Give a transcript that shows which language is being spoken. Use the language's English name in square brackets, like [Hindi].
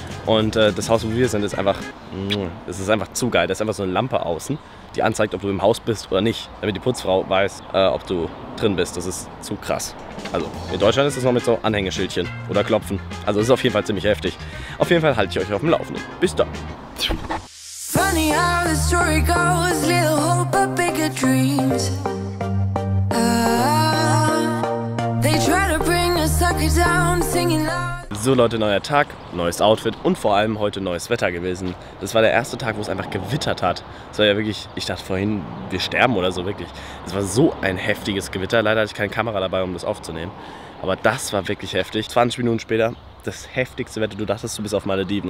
[German] Und das Haus, wo wir sind, ist einfach, es ist einfach zu geil. Da ist einfach so eine Lampe außen, die anzeigt, ob du im Haus bist oder nicht, damit die Putzfrau weiß, ob du drin bist. Das ist zu krass. Also in Deutschland ist das noch mit so Anhängeschildchen oder Klopfen. Also es ist auf jeden Fall ziemlich heftig. Auf jeden Fall halte ich euch auf dem Laufenden. Bis dann. [English] Funny how the story goes, little hope but bigger dreams. They try to bring a sucker down, singing loud. [German] So Leute, neuer Tag, neues Outfit und vor allem heute neues Wetter gewesen. Das war der erste Tag, wo es einfach gewittert hat. Es war ja wirklich, ich dachte vorhin, wir sterben oder so, wirklich. Es war so ein heftiges Gewitter. Leider hatte ich keine Kamera dabei, um das aufzunehmen. Aber das war wirklich heftig. 20 Minuten später, das heftigste Wetter. Du dachtest, du bist auf Malediven.